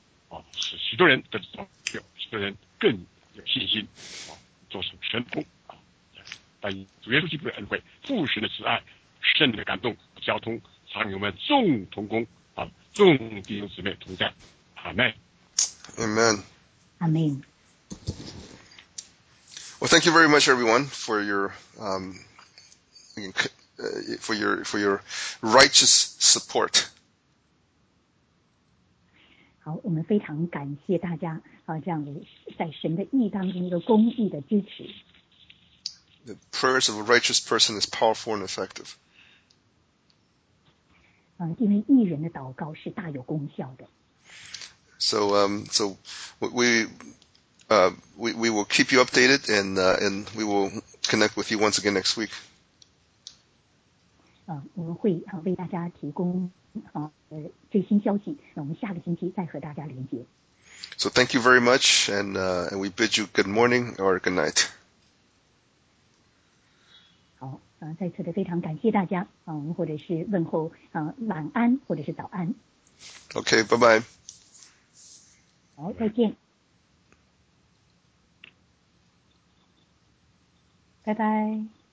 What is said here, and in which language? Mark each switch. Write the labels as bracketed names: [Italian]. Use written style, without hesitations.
[Chinese] 啊，使许多人得到救，许多人更有信心啊，做成神工啊！但主耶稣基督的恩惠、父神的慈爱、圣灵的感动、交通，常与我们众同工啊，众弟兄姊妹同在。阿门。 [English] Amen. Amen. Well, thank you very much, everyone, for your righteous support. [Chinese] 好，我们非常感谢大家啊，这样子在神的义当中一个公义的支持。 [English] The prayers of a righteous person is powerful and effective. [Chinese] 啊，因为义人的祷告是大有功效的。 [English] So we will keep you updated and we will connect with you once again next week. [Chinese] 啊，我们会啊为大家提供。最新消息，那我们下个星期再和大家连接。 [English] So thank you very much, and we bid you good morning or good night. [Chinese] 好，再次的非常感谢大家，或者是问候，晚安，或者是早安。 [English] Okay, bye bye. [Chinese] 好，再见。拜拜。